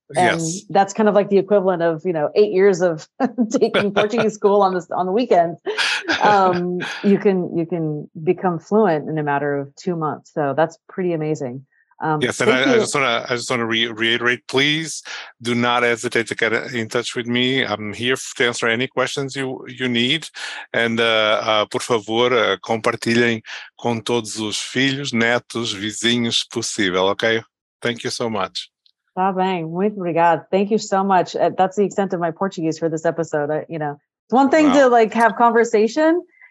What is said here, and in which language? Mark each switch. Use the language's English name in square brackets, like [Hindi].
[English] And yes, that's kind of like the equivalent of, you know, 8 years of taking Portuguese school on the weekend. You can become fluent in a matter of 2 months. So that's pretty amazing. I just want to reiterate, please do not hesitate to get in touch with me. I'm here to answer any questions you need. [Portuguese] And por favor, compartilhem com todos os filhos, netos, vizinhos possível. [English] Okay. Thank you so much. [Portuguese] Tá bem. Muito obrigado. [English] Thank you so much. That's the extent of my Portuguese for this episode. You know, it's one thing to like have conversation.